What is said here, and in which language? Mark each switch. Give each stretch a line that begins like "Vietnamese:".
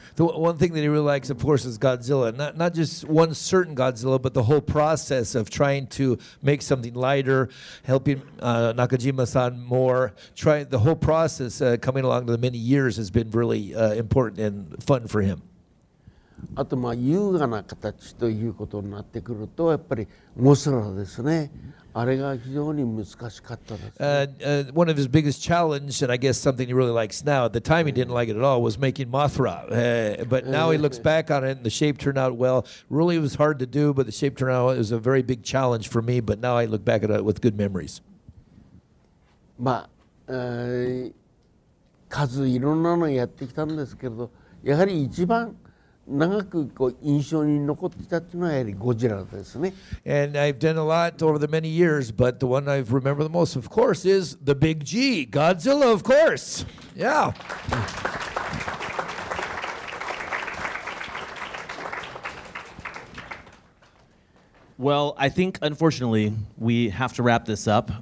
English: The one thing that he really likes, of course, is Godzilla. Not just one certain Godzilla, but the whole process of trying to make something lighter, helping Nakajima-san more. Trying the whole process coming along to the many years has been really important and fun for him.
Japanese: あとまあ優雅な形ということになってくるとやっぱりモスラですね。あれが非常に難しかったです、ね。
English: One of his biggest challenge, and I guess something he really likes now, at the time he didn't like it at all, was making Mothra. But now he looks back on it, and the shape turned out well. Really, it was hard to do, but the shape turned out well. It was a very big challenge for me, but now I look back at it with good memories.
Japanese: まあ、数いろんなのやってきたんですけれど、やはり一番長くこう印象に残ってたっていうのはやはりゴジラですね。
English: And I've done a lot over the many years, but the one I remember the most, of course, is the big G, Godzilla, of course. Yeah. Well, I think unfortunately we have to wrap this up.